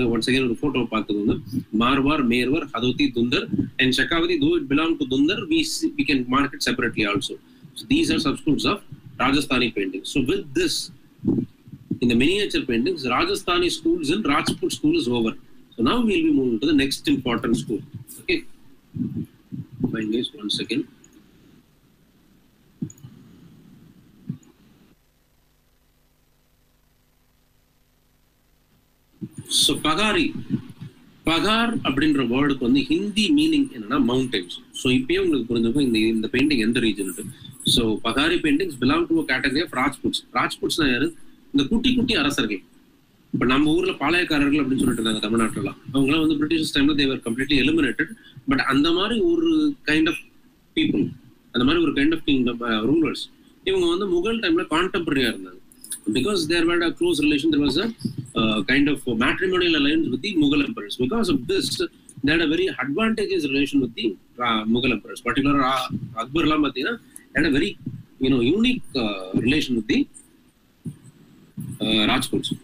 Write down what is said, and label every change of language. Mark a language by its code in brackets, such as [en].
[en] Once again, [ta] ஒரு photo பார்த்துக்கோங்க. [en] Marwar, Mewar, Hadoti, Dhundhar and Shekhawati, though it belong to Dhundhar, we can mark it separately also. So these are subscribes of Rajasthani paintings. So with this, in the miniature paintings, Rajasthani schools in Rajput school is over. So now we'll be moving to the next important school. Okay. Fine, guys, once again. [ta] So, Pagari, Pagar அப்படின்ற வேர்டுக்கு வந்து Hindi meaning என்னன்னா mountains. So இப்பயே உங்களுக்கு புரிஞ்சுக்கோ இந்த painting எந்த region. So Pahari paintings belong to category of Rajputs. ராஜ்புட்ஸ்னா யாரு, இந்த குட்டி குட்டி அரசர்கள். இப்போ நம்ம ஊர்ல பாளையக்காரர்கள் அப்படின்னு சொல்லிட்டு இருந்தாங்க தமிழ்நாட்டுலாம், அவங்களாம் வந்து பிரிட்டிஷ் டைம்ல [en] They were completely eliminated. [ta] பட் அந்த மாதிரி ஒரு கைண்ட் ஆஃப் பீப்புள், அந்த மாதிரி ஒரு கைண்ட் ஆஃப் கிங்டம் ரூலர்ஸ். இவங்க வந்து முகல் டைம்ல கான்டெம்பரரியா இருந்தாங்க. [en] Because there were a close relation, there was a kind of matrimonial alliance with the Mughal emperors. Because of this, they had a very advantageous relation with the Mughal emperors. Particularly, Akbar la Madina had a very, you know, unique relation with the Rajputs.